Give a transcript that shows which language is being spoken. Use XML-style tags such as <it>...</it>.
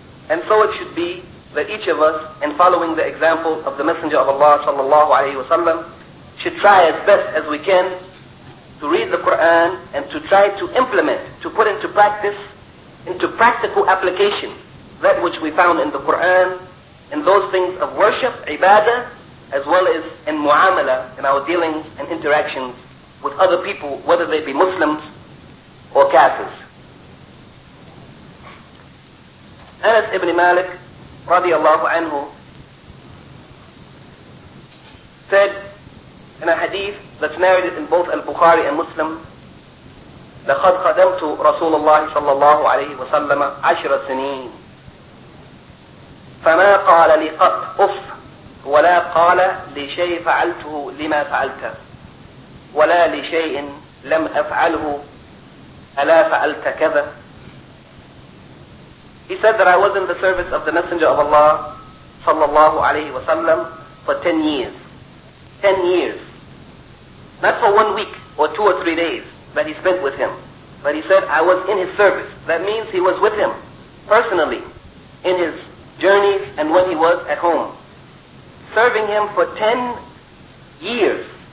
<en>And so it should be that each of us, in following the example of the Messenger of Allah sallallahu alayhi wa sallam, should try as best as we can to read the Quran and to try to implement, to put into practice, into practical application, that which we found in the Quran, in those things of worship, ibadah, as well as in mu'amala, in our dealings and interactions with other people, whether they be Muslims or kafirs. Anas ibn Malik, radiallahu anhu, said in a hadith that's narrated in both al-Bukhari and Muslim,</en> <ar>لَقَدْ خَدَمْتُ رَسُولَ اللَّهِ صَلَّى اللَّهُ عَلَيْهِ وَسَلَّمَ عَشْرَ سِنِينَ فَمَا قَالَ لِي قَطْ أُفْ وَلَا قَالَ لِي شَيْءٍ فَعَلْتُهُ لِمَا فَعَلْتَ وَلَا لِي شَيْءٍ لَمْ أَفْعَلْهُ أَلَا فَعَلْتَ كَذَا.</ar> <en>He said that I was in the service of the Messenger of Allah sallallahu alayhi wa sallam for 10 years. 10 years. Not for 1 week or 2 or 3 days that he spent with him. But he said, I was in his service. That means he was with him personally in his journeys and when he was at home, serving him for 10 years.</en>